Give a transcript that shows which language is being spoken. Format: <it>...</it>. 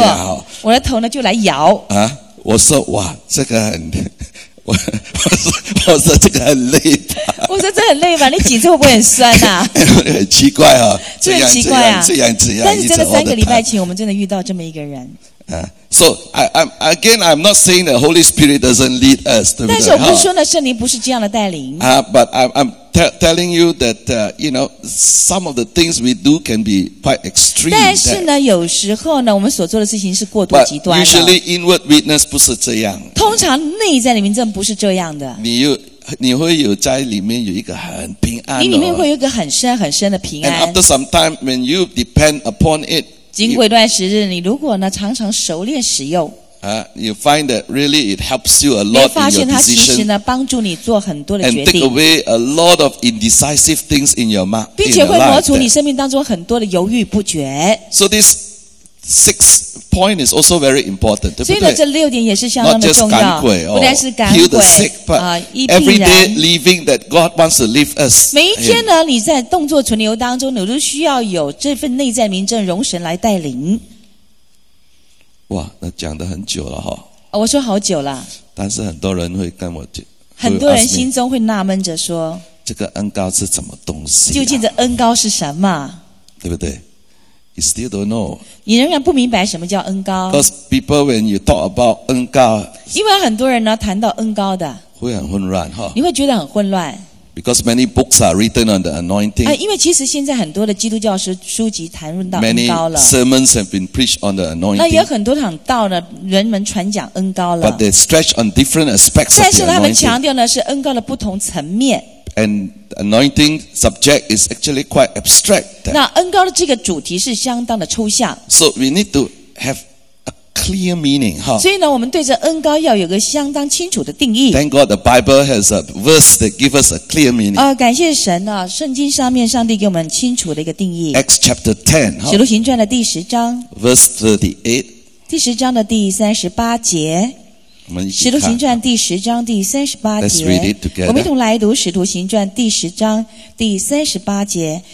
<zh>我头会这样，我的头呢就来摇啊！我说哇，这个很，我说这个很累吧？我说这很累吧？你颈椎会不会很酸啊？很奇怪啊，这很奇怪啊，这样这样。但是真的三个礼拜前，我们真的遇到这么一个人。</zh> <en>So I'm not saying that Holy Spirit doesn't lead us.</en> <zh>对不对？但是我不是说呢，圣灵不是这样的带领。</zh> <en>But I'm telling you that you know some of the things we do can be quite extreme.</en> <zh>但是呢，有时候呢，我们所做的事情是过度极端的。</zh> <en>But usually inward witness</en> <zh>不是这样。通常内在的明证不是这样的。你会有在里面有一个很平安、哦。你里面会有一个很深很深的平安。</zh> <en>And after some time when you depend upon it.</en> <zh>经过一段时日，你如果呢常常熟练使用</zh> <en>you find that really it helps you a lot in your decision.</en> <zh>你会发现它其实呢帮助你做很多的决定。</zh> <en>And take away a lot of indecisive things in your mind.</en> <zh>并且会磨除你生命当中很多的犹豫不决。</zh> <en>So this sixth point is also very important.</en> <zh>所以呢，这六点也是相当的重要。</zh> <en>Not just</en> <zh>赶鬼，不但是赶鬼</zh> <en>heal the sick, but everyday living that God wants to leave us.</en> <zh>每一天呢，你在动作存留当中，你都需要有这份内在明证，容神来带领。哇，那讲得很久了哈、哦。我说好久了。但是很多人会跟我讲，很多人心中会纳闷着说，这个恩膏是什么东西、啊？究竟这恩膏是什么？对不对？</zh> <en>You still don't know.</en> <zh>你仍然不明白什么叫恩膏。</zh> <en>Because people when you talk about 恩膏，</en> <zh>因为很多人呢谈到恩膏的，会很混乱哈。你会觉得很混乱。</zh> <en>Because many books are written on the anointing.</en> <zh>啊，因为其实现在很多的基督教书籍谈论到恩膏了。</zh> <en>Many sermons have been preached on the anointing.</en> <zh>那也很多讲到呢，人们传讲恩膏了。</zh> <en>But they stretch on different aspects.</en> <zh>但是他们强调呢是恩膏的不同层面。</zh> <en>And anointing subject is actually quite abstract.</en> <zh>那恩膏的这个主题是相当的抽象。</zh> <en>So we need to have a clear meaning, 哈。</en> <zh>所以呢，我们对这恩膏要有个相当清楚的定义。</zh> <en>Thank God the Bible has a verse that gives us a clear meaning.</en> <zh>感谢神啊，圣经上面上帝给我们清楚的一个定义。</zh> <en>Acts chapter 10,</en> <zh>使徒行传的第十章</zh> <en>，verse 38.</en> <zh>第十章的第三十八节，使徒行传第十章第三十八节，我们一同来读使徒行传第十章第三十八节。</zh>